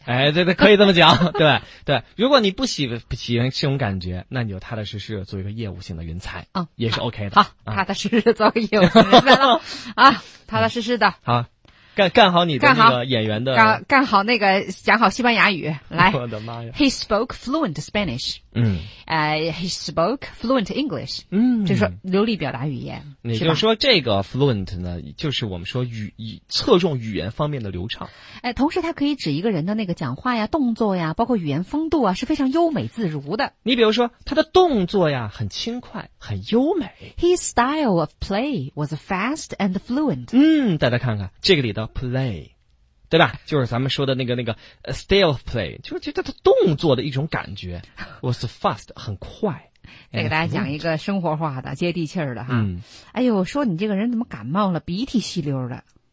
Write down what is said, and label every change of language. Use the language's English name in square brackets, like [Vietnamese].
[Chinese] 对，可以这么讲。对对，如果你不喜欢这种感觉，那你就踏踏实实做一个业务性的人才，也是 OK 的。好，踏踏实实做个业务人才了。踏踏实实的好，干好你的那个演员的，干好那个讲好西班牙语。来，我的妈呀 [English] ！He spoke fluent Spanish. He spoke fluent English. [Chinese] 就是说流利表达语言。也就是说，这个 fluent 呢，就是我们说侧重语言方面的流畅。同时它可以指一个人的那个讲话呀、动作呀，包括语言风度啊，是非常优美自如的。你比如说，他的动作呀，很轻快，很优美。 [English] His style of play was fast and fluent. [Chinese] 大家看看这个里。 Play, 对吧，就是咱们说的那个 [English] style of play, [Chinese] 就是这个动作的一种感觉 [English] was fast, [Chinese] 很快。再给大家讲一个生活化的接地气儿的哈。哎呦，说你这个人怎么感冒了，鼻涕稀溜的。